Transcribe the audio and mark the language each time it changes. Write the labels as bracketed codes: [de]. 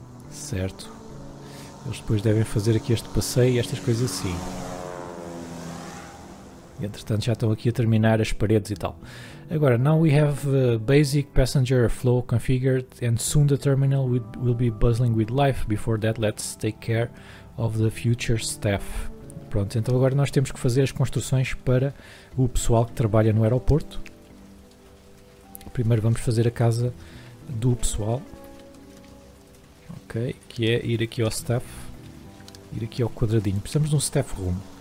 [pt] Certo. Eles depois devem fazer aqui este passeio e estas coisas assim. E, entretanto já estão aqui a terminar as paredes e tal. Agora, [en] now we have basic passenger flow configured and soon the terminal will be bustling with life. Before that, let's take care of the future staff. [pt] Pronto, então agora nós temos que fazer as construções para o pessoal que trabalha no aeroporto. Primeiro vamos fazer a casa do pessoal. Ok, que é ir aqui ao staff, ir aqui ao quadradinho. Precisamos de um staff room.